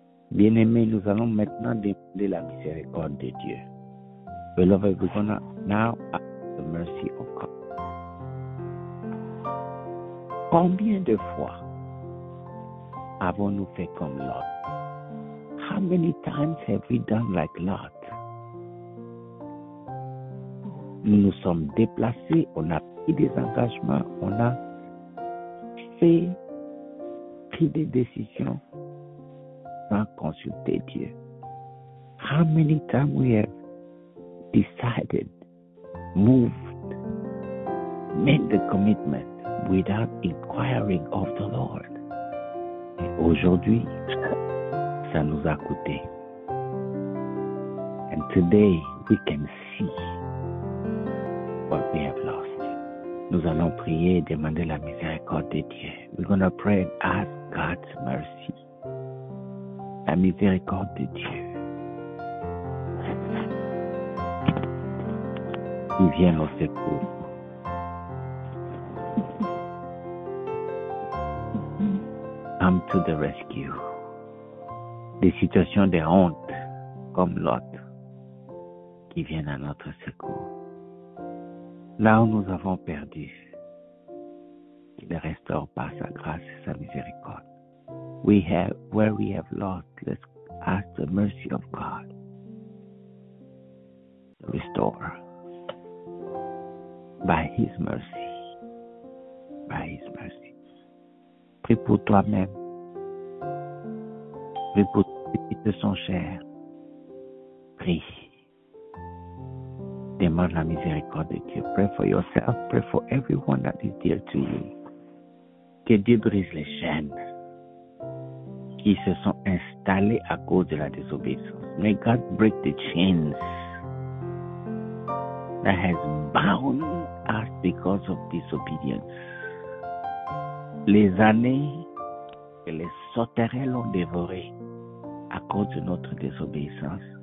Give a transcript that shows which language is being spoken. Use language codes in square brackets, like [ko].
[fr] Bien-aimés, nous allons maintenant demander la miséricorde de Dieu. [en] Beloved, we're going to now ask the mercy of God. [fr] Combien de fois avons-nous fait comme Lot? [en] How many times have we done like Lot? [fr] Nous nous sommes déplacés, on a pris des engagements, on a pris des décisions sans consulter Dieu. [en] How many times we have decided, moved, made the commitment without inquiring of the Lord? [fr] Et aujourd'hui, ça nous a coûté. [en] And today, we can see what we have lost. [fr] Nous allons prier et demander la miséricorde de Dieu. [en] We're going to pray and ask God's mercy. [fr] La miséricorde de Dieu. Il vient au secours. [en] Come to the rescue. [fr] Des situations de honte, comme Lot, qui viennent à notre secours. Là où nous avons perdu, qu'il restaure par sa grâce et sa miséricorde. [en] We have, where we have lost, let's ask the mercy of God to restore by His mercy. By His mercy. [fr] Prie pour toi-même. Prie pour ceux qui te sont chers. Prie. Demande la miséricorde de Dieu. [en] Pray for yourself, pray for everyone that is dear to you. [fr] Que Dieu brise les chaînes qui se sont installées à cause de la désobéissance. [en] May God break the chains that has bound us because of disobedience. [fr] Les années que les sauterelles ont dévoré à cause de notre désobéissance.